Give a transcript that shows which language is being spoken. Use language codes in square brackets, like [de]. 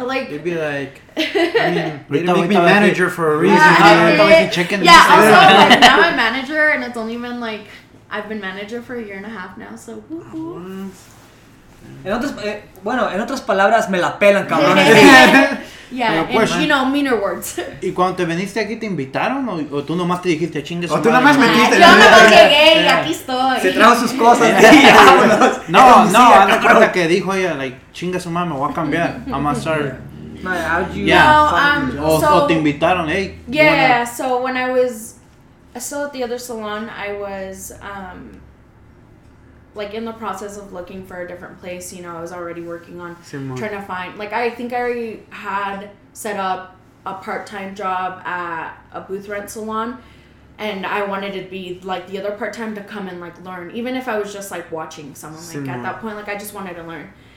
[en] You'd be like, I mean, you'd be manager for a reason. Yeah, also, now I'm manager, and it's only been, like, I've been manager for a year and a half now, so woo-hoo. [es] En otras, bueno, en otras palabras, me la pelan, cabrones. [en] Yeah, [es] pues, [en] and, you know, meaner words. [es] ¿Y cuando te viniste aquí te invitaron o tú nomás te dijiste chingue su madre? O tú nomás metiste. Yo nomás llegué y aquí estoy. Se trajo sus cosas. No, no, haz de cuenta que dijo ella, [en] like, [es] chingue su madre, me voy a cambiar. [en] I'm a sir. Yeah. How'd you know? [es] O te invitaron, hey. [en] Yeah, so when I was still at the other salon, I was, like, in the process of looking for a different place, you know. I was already working on trying to find, like, I think I already had set up a part-time job at a booth rent salon, and I wanted to be, like, the other part-time to come and, like, learn, even if I was just, like, watching someone, like, at that point, like, I just wanted to learn.